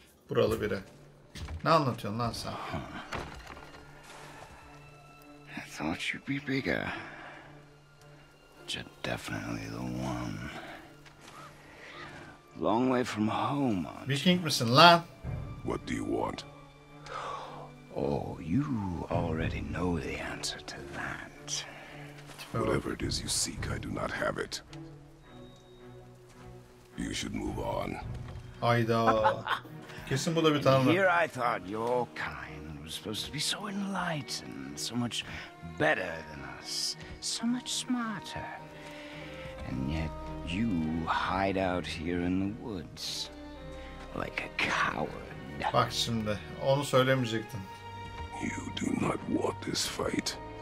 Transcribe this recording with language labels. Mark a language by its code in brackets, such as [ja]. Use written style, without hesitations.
[tr] Buralı biri. Ne anlatıyorsun lan sen? [en] I thought you'd be bigger. You're definitely the one. Long way from home. [tr] Viking misin lan? [en] What do you want? Oh, you already know the answer to that. Whatever it is you seek, I do not have it. You should move on. [tr] Hayda. Kesin bu da bir tanrı. [en] Here I thought your kind was supposed to be so enlightened, so much better than us, so much smarter. And yet you hide out here in the woods like a coward. [tr] Bak şimdi, onu söylemeyecektin. [en] You do not want this fight.